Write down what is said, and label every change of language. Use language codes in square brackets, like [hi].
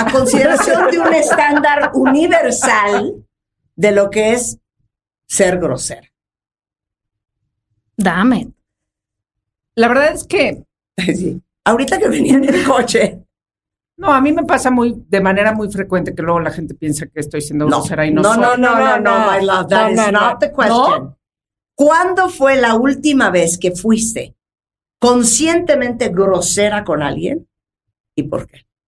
[es] A consideración de un estándar universal de lo que es ser grosera. Dame. La verdad es que... Sí. Ahorita que venía en el coche... No, a mí me pasa muy de manera muy frecuente que luego la gente piensa que estoy siendo grosera y no, no soy. [en] No, my love, that is not the question. [es] ¿No? ¿Cuándo fue la última vez que fuiste conscientemente grosera con alguien y por qué?